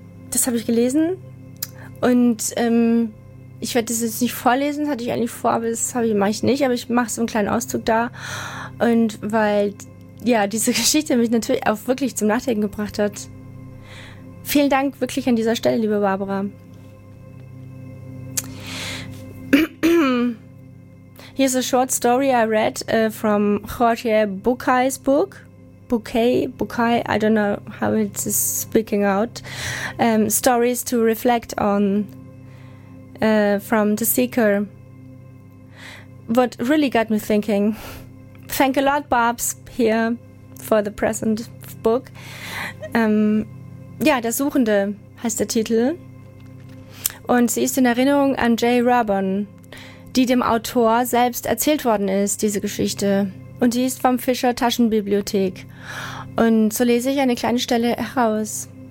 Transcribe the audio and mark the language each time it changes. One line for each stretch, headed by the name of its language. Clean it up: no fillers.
German: Das habe ich gelesen und ich werde das jetzt nicht vorlesen, das hatte ich eigentlich vor, aber das mache ich nicht, aber ich mache so einen kleinen Auszug da und weil, ja, diese Geschichte mich natürlich auch wirklich zum Nachdenken gebracht hat. Vielen Dank wirklich an dieser Stelle, liebe Barbara.
English: Here's a short story I read from Jorge Bucay's book. Bouquet, I don't know how it is speaking out. Stories to reflect on from The Seeker. what really got me thinking. Thank a lot, Babs, here for the present book.
German: Ja, Der Suchende heißt der Titel. Und sie ist in Erinnerung an Jay Rabon, die dem Autor selbst erzählt worden ist, diese Geschichte. Und die ist vom Fischer Taschenbibliothek. Und so lese ich eine kleine Stelle heraus.